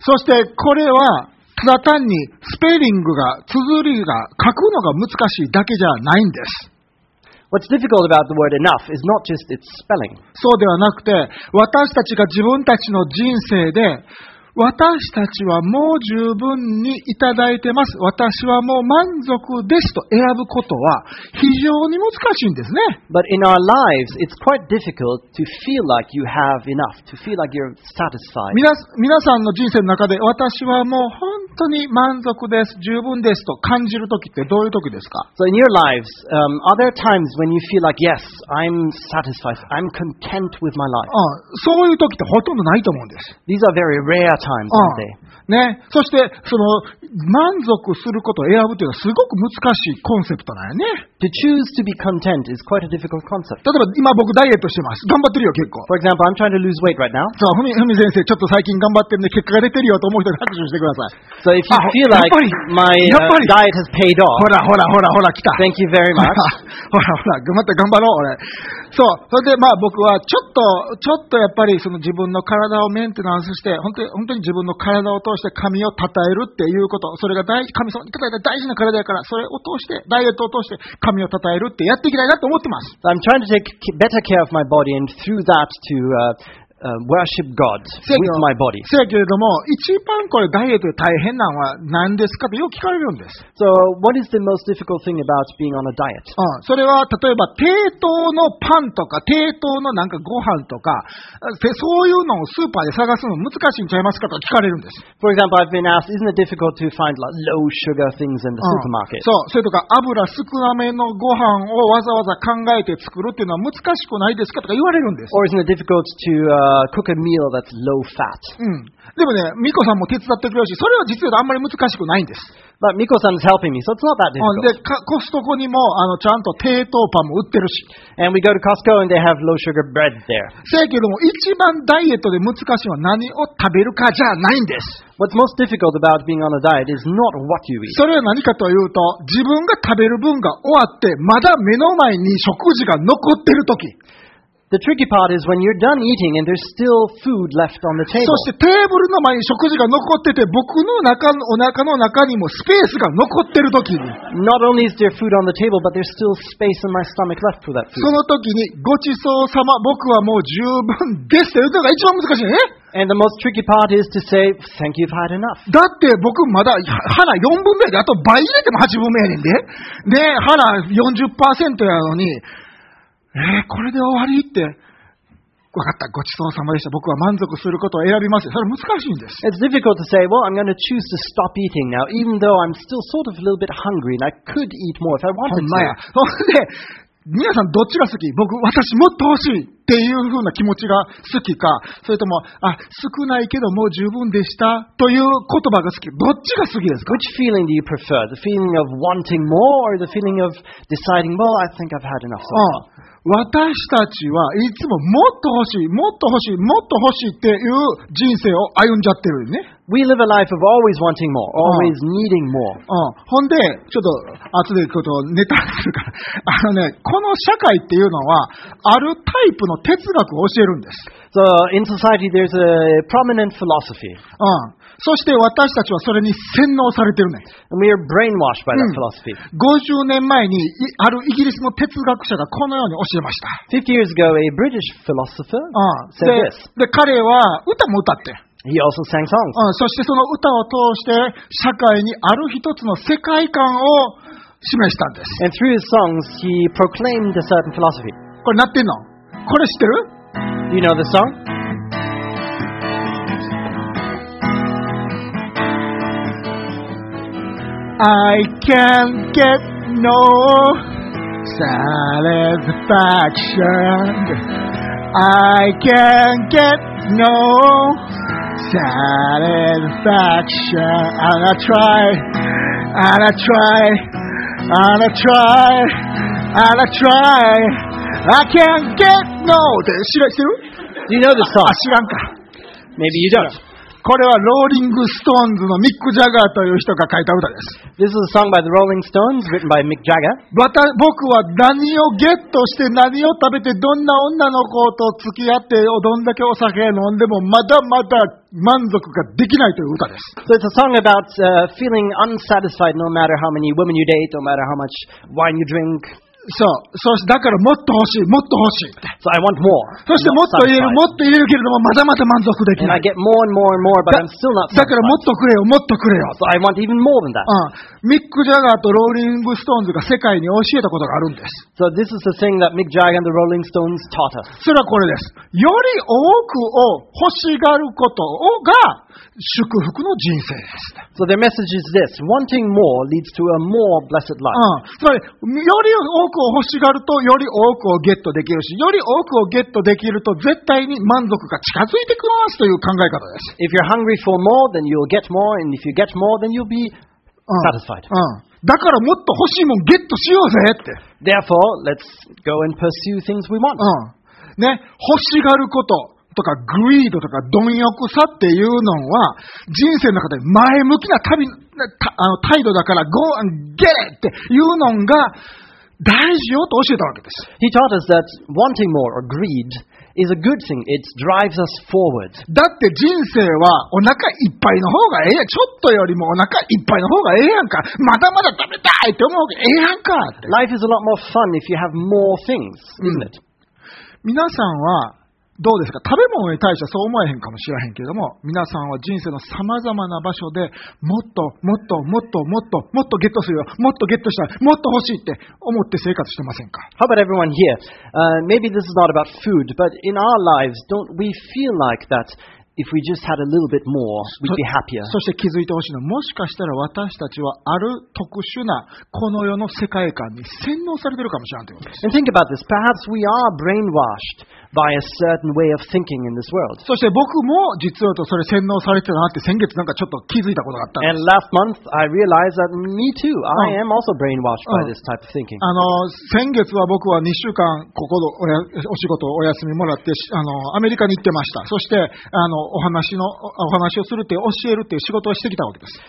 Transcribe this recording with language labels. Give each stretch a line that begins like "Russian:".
Japanese: そしてこれはただ単にスペリングが、綴りが、書くのが難しいだけじゃないんです。
English: What's difficult about the word enough is not just its spelling.
Japanese: そうではなくて、私たちが自分たちの人生で、私たちはもう十分にいただいてます。私はもう満足ですと選ぶことは非常に難しいんですね。
English: But in our lives, it's quite difficult to feel like you have enough, to feel like you're satisfied.
Japanese: 皆さんの人生の中で私はもう本当に満足です、十分ですと感じる時ってどういう時ですか？
English: So in your lives, are there times when you feel like, yes, I'm satisfied, I'm content with my life?
Japanese: そういう時ってほとんどないと思うんです。
English: These are very rare times, aren't they?
Japanese: ね、そしてその満足することを選ぶというのはすごく難しいコンセプトなんやね。
English: To choose to be content is quite a difficult concept.
Japanese: 例えば今僕ダイエットしてます。頑張ってるよ結構。
English: For example, I'm trying to lose weight right now.
Japanese: そう、ふみ先生ちょっと最近頑張ってるんで結果が出てるよと思う人拍手してください。
English: So if you feel like my diet has paid off.
Japanese: ほら来た。
English: Thank you very much.
Japanese: ほら頑張って頑張ろう俺。そう、それでまあ僕はちょっとやっぱりその自分の体をメンテナンスして本当に自分の体を通して神を讃えるっていうこと、それが大神様にいただいた大事な体やからそれを通してダイエットを通して神を讃えるってやっていきたいなと思ってます。
English: I'm trying to take better care of my body and through that to worship God with my body.
Japanese: せやけれども、一番これダイエットで大変なのは何ですかとよく聞かれるんです。
English: So what is the most difficult thing about being on a diet?
Japanese: それは例えば低糖のパンとか低糖のなんかご飯とかそういうのをスーパーで探すの難しいんちゃいますかと聞かれるんです。
English: For example, I've been asked, isn't it difficult to find like low sugar things in the supermarket?
Japanese: そう、それとか油少なめのご飯をわざわざ考えて作るっていうのは難しくないですかとか言われるんです。
English: Or isn't it difficult to cook a meal that's low fat.
Japanese: でもね、ミコさんも手伝ってくれるし、それは実はあんまり難しくないんです。
English: But Miko さん is helping me, so it's not that difficult.
Japanese: で、コストコにもちゃんと低糖パンも売ってるし。
English: And we go to Costco and they have low sugar bread there.
Japanese: せやけども、一番ダイエットで難しいのは何を食べるかじゃないんです。
English: What's most difficult about being on a diet is not what you eat.
Japanese: それは何かというと、自分が食べる分が終わって、まだ目の前に食事が残ってる時。
English: The tricky part is when you're done eating and there's still food left on the table.
Japanese: そしてテーブルの前に食事が残ってて、僕の中のお腹の中にもスペースが残ってる時に。
English: Not only is there food on the table, but there's still space in my stomach left for that food.
Japanese: その時にごちそうさま、僕はもう十分ですって言うのが一番難しいね。
English: And the most tricky part is to say, thank you, I've had enough.
Japanese: だって僕まだ腹4分目で、あと倍入れても8分目やねんで。で、腹 40% やのに、これで終わりって分かった、ごちそうさまでした、僕は満足することを選びます、それ難しいんです。
English: It's difficult to say, well, I'm going to choose to stop eating now, even though I'm still sort of a little bit hungry and I could eat more if I wanted to.
Japanese: ほんまや。そんで皆さんどっちが好き、僕私もっと欲しいっていう風な気持ちが好きか、それとも少ないけどもう十分でしたという言葉が好き、どっちが好きですか？
English: Which feeling do you prefer? The feeling of wanting more or the feeling of deciding, well, I think I've had enough so far?
Japanese: 私たちはいつももっと欲しい、もっと欲しい、もっと欲しいっていう人生を歩んじゃってるよね。
English: We live a life of always wanting more, always needing more.
Japanese: ほんで、ちょっと後でちょっとネタするから、ね、この社会っていうのはあるタイプの哲学を教えるんです。
English: So in society there's a prominent philosophy.
Japanese: そして私たちはそれに洗脳されてるね。
English: We are brainwashed by that philosophy.
Japanese: 50年前にあるイギリスの哲学者がこのように教えました。
English: 50 years ago, a British philosopher said this.
Japanese: で、彼は歌も歌って。
English: He also sang songs.
Japanese: そしてその歌を通して社会にある一つの世界観を示したんです。
English: And through his songs, he proclaimed a certain philosophy.
Japanese: これ鳴ってんの？これ知ってる？
English: Do you know the song? I can't get no satisfaction. I can't get no satisfaction. And I try. I can't get no.
Japanese: 知らせる？
English: Do you know the song?
Japanese: 知らんか。
English: Maybe you don't.
Japanese: これはローリングストーンズのミック・ジャガーという人が書いた歌です。
English: This is a song by the Rolling Stones, written by Mick Jagger.
Japanese: 僕は何をゲットして何を食べてどんな女の子と付き合ってどんだけお酒飲んでもまだまだ満足ができないという歌です。
English: So it's a song about feeling unsatisfied no matter how many women you date, no matter how much wine you drink.
Japanese: そう、そしてだからもっと欲しい、もっと欲しい。
English: So I want more.
Japanese: そしてもっと言える、もっと言えるけれどもまだまだ満足できない。
English: And I get more and more and more, but I'm still not satisfied.
Japanese: だからもっとくれよ、もっとくれよ。
English: So I want even more than that.
Japanese: ミック・ジャガーとローリング・ストーンズが世界に教えたことがあるんです。
English: So this is the thing that Mick Jagger and the Rolling Stones taught us.
Japanese: それはこれです。より多くを欲しがることをが祝福の人生です。
English: So their message is this: wanting more leads to a more blessed life.
Japanese: つまり、より多くを欲しがると、より多くをゲットできるし、より多くをゲットできると、絶対に満足が近づいてきますという考え方です。
English: If you're hungry for more, then you'll get more, and if you get more, then you'll be satisfied.
Japanese: だからもっと欲しいもんゲットしようぜって。
English: Therefore, let's go and pursue things we want.
Japanese: ね、欲しがること。とかグリードとか貪欲さっていうのは人生の中で前向きな旅あの態度だから
English: Go and get it
Japanese: っていうのが大事よと教えたわけです。
English: He taught us that wanting more or greed is a good thing. It drives us forward.
Japanese: だって人生はお腹いっぱいの方がええやん。ちょっとよりもお腹いっぱいの方がええやんか。まだまだ食べたいって思うがええやんかって。
English: Life is a lot more fun if you have more things, isn't it?、うん、
Japanese: 皆さんはどうですか？食べ物に対してはそう思えへんかもしれへんけれども、皆さんは人生のさまざまな場所でもっともっともっともっともっとゲットするよ、もっとゲットしたい、もっと欲しいって思って生活してませんか
English: ？How about everyone here?、maybe this is not about food, but in our lives, don't we feel like that if we just had a little bit more, we'd be happier?
Japanese: そして気づいてほしいのは、もしかしたら私たちはある特殊なこの世の世界観に洗脳されてるかもしれないということです。
English: And think about this. Perhaps we are brainwashed. By a certain way of thinking in this world.
Japanese: そして僕も実はとそれ洗脳されてたなって先月なんかちょっと気づいたことがあったんです。
English: And last month I realized that me too. I am also brainwashed by this type of thinking.
Japanese: 先月は僕は2週間ここのお仕事をお休みもらってアメリカに行ってました。そしてお話をするって教えるって仕事をしてきたわけです。